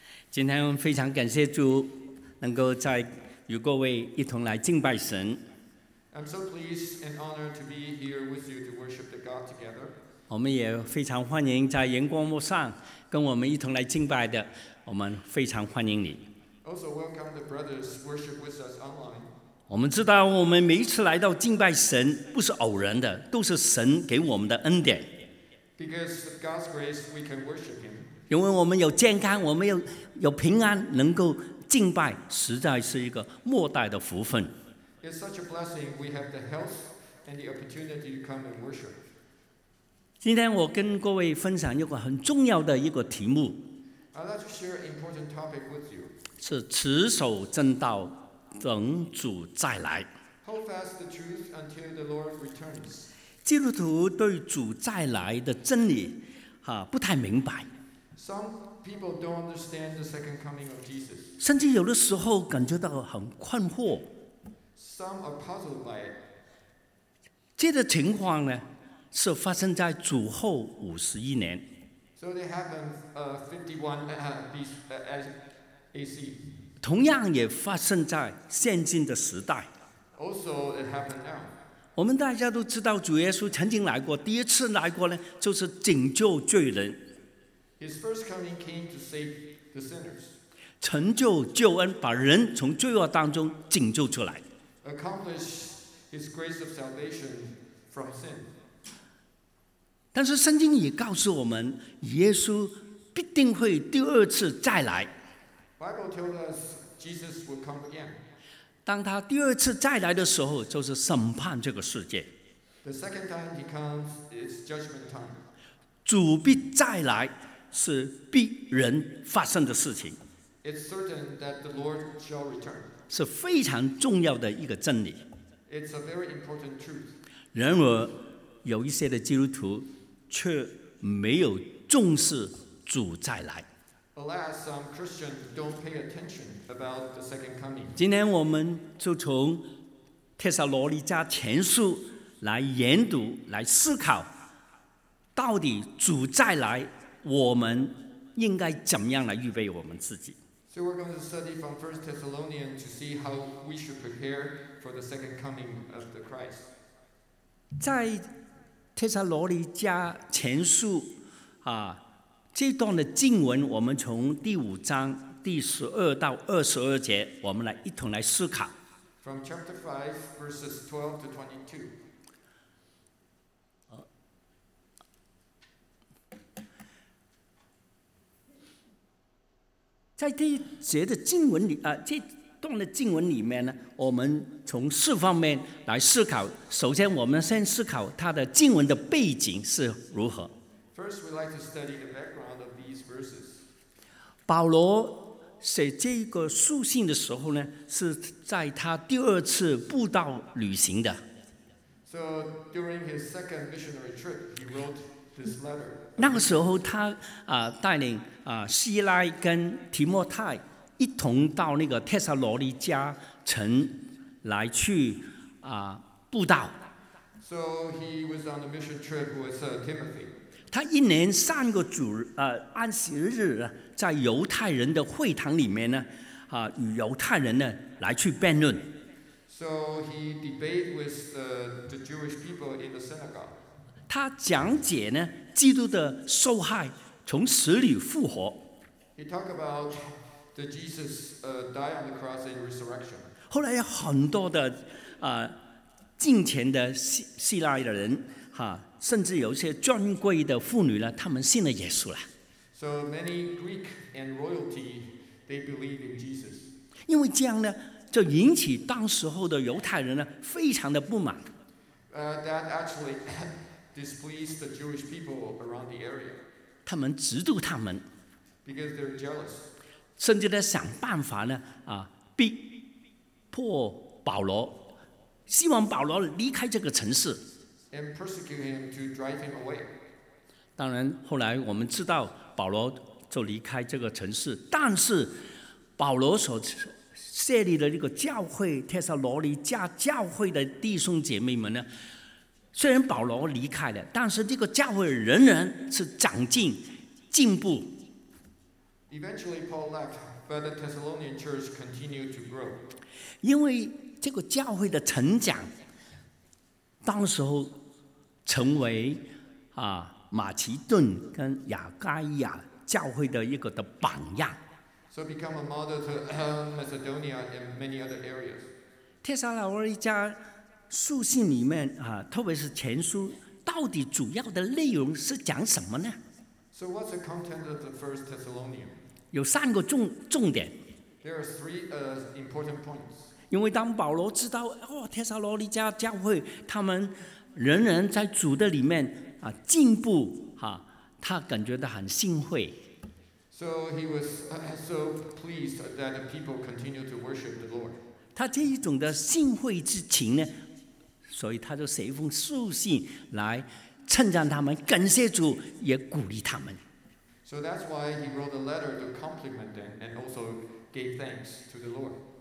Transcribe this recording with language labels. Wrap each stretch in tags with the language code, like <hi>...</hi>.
<zh>今天非常感谢主能够在与各位一同来敬拜神。</zh> <en>I'm so pleased and honored to be here with you to worship the God together.</en> <zh>我们也非常欢迎在荧光幕上跟我们一同来敬拜的，我们非常欢迎你。</zh> <en>Also welcome the brothers worship with us online.</en> <zh>我们知道我们每一次来到敬拜神不是偶然的，都是神给我们的恩典。</zh> <en>Because of God's grace, we can worship Him.</en> <zh>因为我们有健康，我们有平安，能够敬拜，实在是一个莫大的福分。</zh> <en>It's such a blessing. We have the health and the opportunity to come and worship.</en> <zh>今天我跟各位分享一个很重要的一个题目。</zh> <en>I'd like to share an important topic with you.</en> <zh>是持守正道，等主再来。</zh> <en>Hold fast the truth until the Lord returns.</en> <zh>基督徒对主再来的真理，不太明白。</zh> <en>Some people don't understand the second coming of Jesus.</en> <zh>甚至有的时候感觉到很困惑。</zh> <en>Some are puzzled by it.</en> <zh>这个情况呢，是发生在主后五十一年。</zh> <en>So they happened 51 AC.</en> <zh>同样也发生在现今的时代。</zh> <en>Also, it happened now.</en> <zh>我们大家都知道主耶稣曾经来过，第一次来过呢，就是拯救罪人。</zh> <en>His first coming came to save the sinners.</en> <zh>成就救恩，把人从罪恶当中拯救出来。</zh> <en>Accomplish his grace of salvation from sin.</en> <zh>但是圣经也告诉我们，耶稣必定会第二次再来。</zh> <en>Bible tells us Jesus will come again.</en> <zh>当他第二次再来的时候，就是审判这个世界。</zh> <en>The second time he comes is judgment time.</en> <zh>主必再来是必然发生的事情。</zh> <en>It's certain that the Lord shall return.</en> <zh>是非常重要的一个真理。</zh> <en>It's a very important truth.</en> <zh>然而，有一些的基督徒却没有重视主再来。</zh> <en>Alas, some Christians don't pay attention about the second coming.</en> <zh>今天我们就从帖撒罗尼迦前书来研读，来思考到底主再来，我们应该怎么样来预备我们自己。</zh> <en>So we're going to study from 1 Thessalonians to see how we should prepare for the second coming of the Christ.</en> <zh>在帖撒罗尼迦前书这段的经文，我们从第五章第十二到二十二节，我们来一同来思考。</zh> <en>From chapter 5, verses 12 to 22.</en> <zh>在这一节的经文里，这段的经文里面呢，我们从四方面来思考。首先，我们先思考它的经文的背景是如何。</zh> <en>First, we'd like to study the background of these verses.</en> <zh>保罗写这个书信的时候呢，是在他第二次布道旅行的。</zh> <en>So during his second missionary trip, he wrote this letter.</en> <zh>那个时候他带领希拉跟提摩太一同到那个帖撒罗尼迦城来去布道。</zh> <en>So he was on a mission trip with Timothy.</en> <zh>他一年三个主安息日在犹太人的会堂里面呢与犹太人呢来去辩论。</zh> <en>So he debated with the Jewish people in the synagogue.</en> <zh>他讲解呢基督的受害，从死里复活。</zh> <en>He talked about the Jesus died on the cross and resurrection.</en> <zh>后来有很多的近前的希腊的人甚至有一些尊贵的妇女呢，他们信了耶稣了。</zh> <en>So many Greek and royalty, they believe in Jesus.</en> <zh>因为这样呢，就引起当时候的犹太人呢，非常的不满。</zh> <en>That actually displeased the Jewish people around the area.</en> <zh>他们嫉妒他们。</zh> <en>Because they're jealous.</en> <zh>甚至呢，想办法呢，逼迫保罗，希望保罗离开这个城市。</zh> <en>And persecute him to drive him away.</en> <zh>当然，后来我们知道保罗就离开这个城市，但是保罗所设立的这个教会帖撒罗尼迦教会的弟兄姐妹们呢，虽然保罗离开了，但是这个教会仍然是长进，进步。</zh> <en>Eventually, Paul left, but the Thessalonian church continued to grow.</en> <zh>因为这个教会的成长，当时候成为啊马其顿跟亚该亚教会的一个的榜样。</zh> <en>So become a model to Macedonia and many other areas.</en> <zh>帖撒罗尼迦书信里面啊，特别是前书，到底主要的内容是讲什么呢？</zh> <en>So what's the content of the first Thessalonian?</en> <zh>有三个重点。</zh> <en>There are three important points.</en> <zh>因为当保罗知道哦，帖撒罗尼迦教会他们人人在主的里面啊进步啊，他感觉到很欣慰。</zh> <en>So he was so pleased that the people continue to worship the Lord.</en> <zh>他这一种的欣慰之情呢，所以他就写一封书信来称赞他们，感谢主，也鼓励他们。</zh> <en>So that's why he wrote a letter to compliment them and also gave thanks to the Lord.</en>